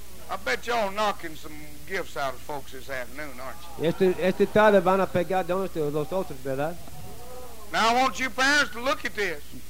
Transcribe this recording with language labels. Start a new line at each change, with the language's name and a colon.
English: I bet y'all knocking some gifts out of folks this afternoon, aren't you?
Spanish: Este tarde van a pegar dones de los otros, ¿verdad?
English: Now I want you parents to look at this.